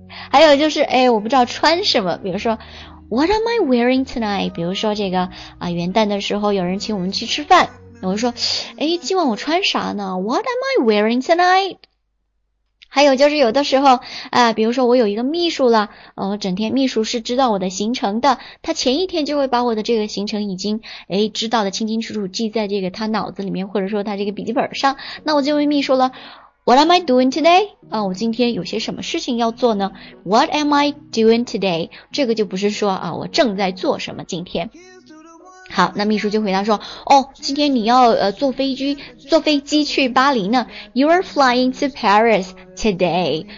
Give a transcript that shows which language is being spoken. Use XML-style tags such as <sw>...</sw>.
<zh>还有就是我不知道穿什么，比如说</zh> <en>What am I wearing tonight，</en> <zh>比如说这个元旦的时候有人请我们去吃饭，我就说今晚我穿啥呢， What am I wearing tonight。还有就是有的时候比如说我有一个秘书了，整天秘书是知道我的行程的，他前一天就会把我的这个行程已经知道的清清楚楚，记在这个他脑子里面，或者说他这个笔记本上。</zh> <en>那我就问秘书了， What am I doing today?</en> <zh>我今天有些什么事情要做呢？</zh> <en>What am I doing today?</en> <zh>这个就不是说我正在做什么今天。好，那秘书就回答说，哦，今天你要坐飞机去巴黎呢，</zh> <en>You are flying to Paris today.</en>